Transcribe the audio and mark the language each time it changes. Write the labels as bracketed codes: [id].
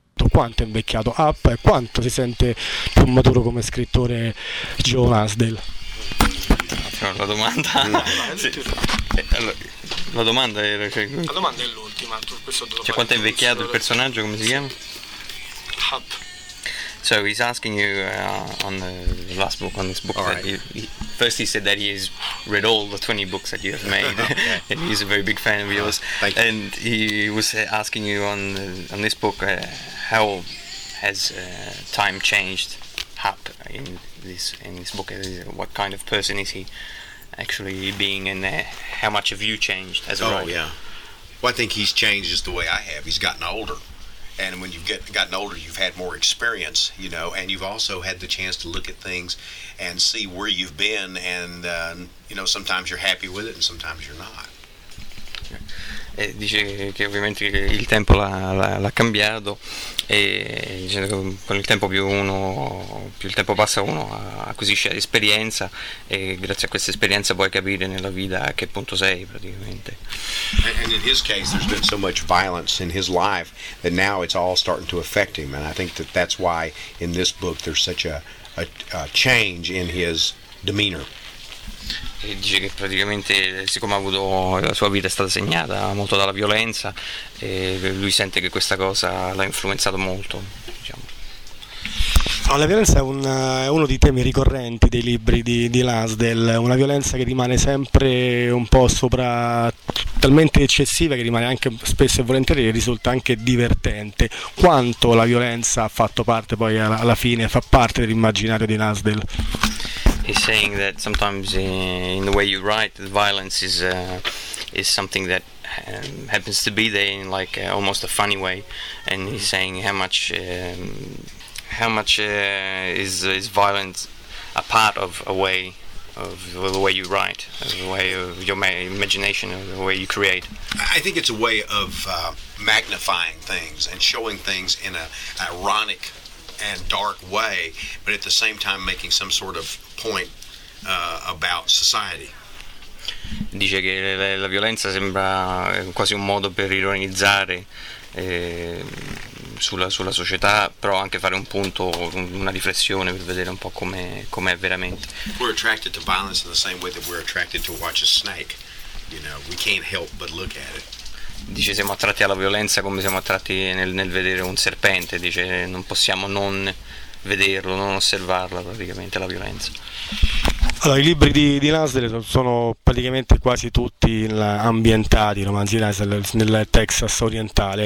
[it] Quanto è invecchiato Up e quanto si sente più maturo come scrittore John Asdell? La domanda sì. Allora, la domanda era, cioè, la domanda è l'ultima, cioè, quanto è invecchiato il personaggio, come si chiama? Hap. [en] So he's asking you on the last book, on this book, that first he said that he's read all the 20 books that you have made, and he's a very big fan of yours. Thank you. And he was asking you on this book, how has time changed Hap in this book? What kind of person is he actually being in there? How much have you changed as a writer? Oh, yeah. Well, I think he's changed just the way I have. He's gotten older. And when you've gotten older, you've had more experience, you know, and you've also had the chance to look at things and see where you've been. And, you know, sometimes you're happy with it and sometimes you're not. [it] Dice che ovviamente il tempo l'ha cambiato, e dicendo che con il tempo più il tempo passa, uno acquisisce esperienza, e grazie a questa esperienza puoi capire nella vita a che punto sei praticamente. [en] And in his case there's been so much violence in his life that now it's all starting to affect him, and I think that that's why in this book there's such a change in his demeanor. [it] E dice che praticamente, siccome ha avuto, la sua vita è stata segnata molto dalla violenza, e lui sente che questa cosa l'ha influenzato molto, diciamo. La violenza è uno dei temi ricorrenti dei libri di Asdell, una violenza che rimane sempre un po' sopra, talmente eccessiva che rimane anche spesso e volentieri e risulta anche divertente. Quanto la violenza ha fatto parte poi alla fine, fa parte dell'immaginario di Asdell? [en] He's saying that sometimes in the way you write, the violence is something that happens to be there in like almost a funny way, and he's saying how much is violence a part of a way of the way you write, of the way of your imagination, of the way you create? I think it's a way of magnifying things and showing things in an ironic and dark way, but at the same time making some sort of point about society. [it] Dice che la violenza sembra quasi un modo per ironizzare sulla società, però anche fare un punto, una riflessione per vedere un po' come è veramente. [en] We're attracted to violence in the same way that we're attracted to watch a snake. You know, we can't help but look at it. [it] Dice siamo attratti alla violenza come siamo attratti nel vedere un serpente. Dice non possiamo non vederlo, non osservarla praticamente la violenza. Allora, i libri di Lansdell sono praticamente quasi tutti ambientati, i romanzi di Lansdell, nel Texas orientale.